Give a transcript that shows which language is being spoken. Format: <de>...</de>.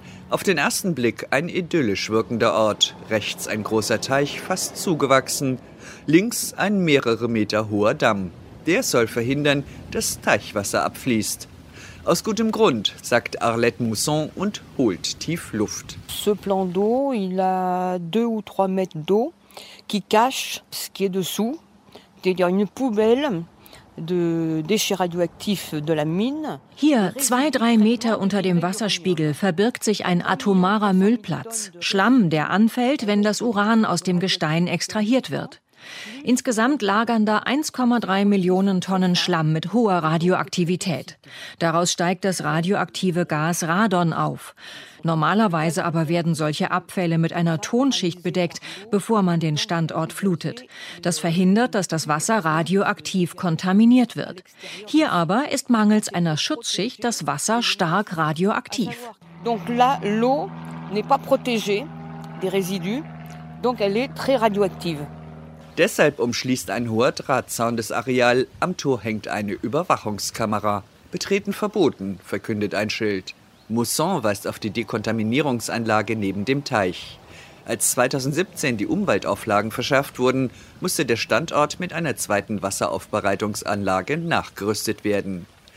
<de>Auf den ersten Blick ein idyllisch wirkender Ort. Rechts ein großer Teich, fast zugewachsen. Links ein mehrere Meter hoher Damm. Der soll verhindern, dass Teichwasser abfließt. Aus gutem Grund, sagt Arlette Mousson und holt tief Luft.</de> <fr>Ce plan d'eau, il a 2 ou 3 mètres d'eau. Qui cache ce qui est dessous, c'est-à-dire une poubelle de déchets radioactifs de la mine.</fr> <de>Hier, 2-3 Meter unter dem Wasserspiegel, verbirgt sich ein atomarer Müllplatz. Schlamm, der anfällt, wenn das Uran aus dem Gestein extrahiert wird. Insgesamt lagern da 1,3 Millionen Tonnen Schlamm mit hoher Radioaktivität. Daraus steigt das radioaktive Gas Radon auf. Normalerweise aber werden solche Abfälle mit einer Tonschicht bedeckt, bevor man den Standort flutet. Das verhindert, dass das Wasser radioaktiv kontaminiert wird. Hier aber ist mangels einer Schutzschicht das Wasser stark radioaktiv.</de> <fr>Donc là, l'eau n'est pas protégée des résidus, donc elle est très radioactive.</fr> <de>Deshalb umschließt ein hoher Drahtzaun das Areal. Am Tor hängt eine Überwachungskamera. Betreten verboten, verkündet ein Schild. Mousson weist auf die Dekontaminierungsanlage neben dem Teich. Als 2017 die Umweltauflagen verschärft wurden, musste der Standort mit einer zweiten Wasseraufbereitungsanlage nachgerüstet werden.</de>